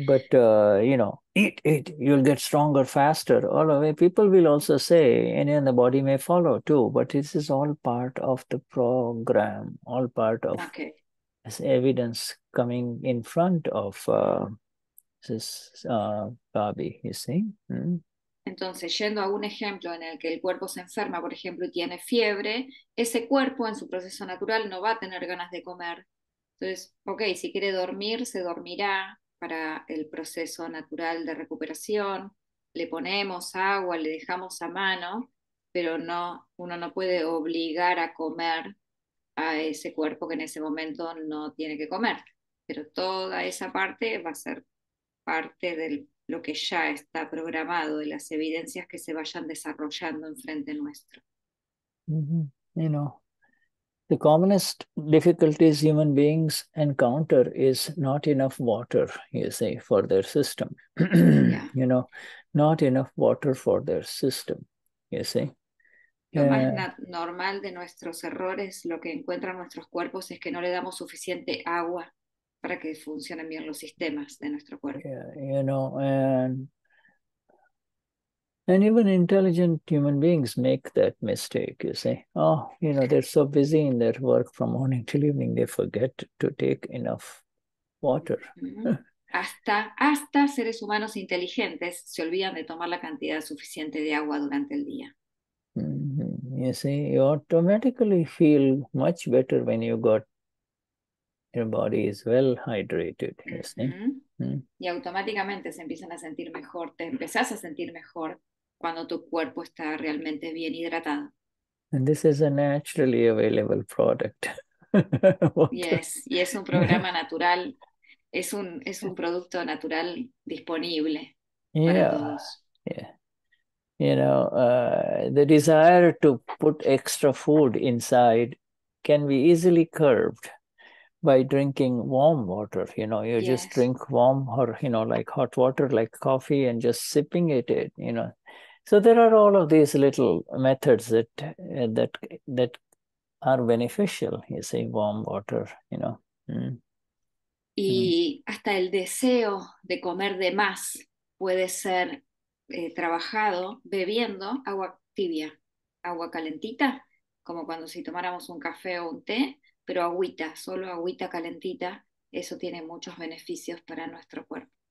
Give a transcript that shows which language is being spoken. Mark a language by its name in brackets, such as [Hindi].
[English] But you know, eat, you'll get stronger faster. All the way, people will also say, and the body may follow too. But this is all part of the program, all part of okay. Evidence coming in front of Bobby, you see. [Spanish] Entonces, yendo a un ejemplo en el que el cuerpo se enferma, por ejemplo, y tiene fiebre, ese cuerpo en su proceso natural no va a tener ganas de comer. Entonces, ok, si quiere dormir, se dormirá para el proceso natural de recuperación. Le ponemos agua, le dejamos a mano, pero no, uno no puede obligar a comer a ese cuerpo que en ese momento no tiene que comer. Pero toda esa parte va a ser parte de lo que ya está programado, de las evidencias que se vayan desarrollando enfrente nuestro. Mm-hmm. [English] You know, the commonest difficulties human beings encounter is not enough water, you see, for their system. Yeah. You know, not enough water for their system, you see. [Spanish] Lo más normal de nuestros errores, lo que encuentran nuestros cuerpos, es que no le damos suficiente agua para que funcionen bien los sistemas de nuestro cuerpo. [English] Yeah, you know, and even intelligent human beings make that mistake, you see. Oh, you know, they're so busy in their work from morning till evening, they forget to take enough water. [Spanish] Hasta seres humanos inteligentes se olvidan de tomar la cantidad suficiente de agua durante el día. [English] You see, you automatically feel much better when you got your body is well hydrated, you see. [Spanish] Y automáticamente se empiezan a sentir mejor, te empezás a sentir mejor cuando tu cuerpo está realmente bien hidratado. [English] And this is a naturally available product. Yes, [Spanish] y es un programa natural, es un producto natural disponible [English] yeah. [Spanish] para todos. [English] You know, the desire to put extra food inside can be easily curbed by drinking warm water. You know, you yes. just drink warm or, you know, like hot water, like coffee, and just sipping it, you know. So there are all of these little methods that are beneficial, you see, warm water, you know. [Spanish] Y hasta el deseo de comer de más puede ser trabajado bebiendo agua tibia, agua calentita, como cuando si tomáramos un café o un té, pero agüita, solo agüita calentita, eso tiene muchos beneficios para nuestro cuerpo.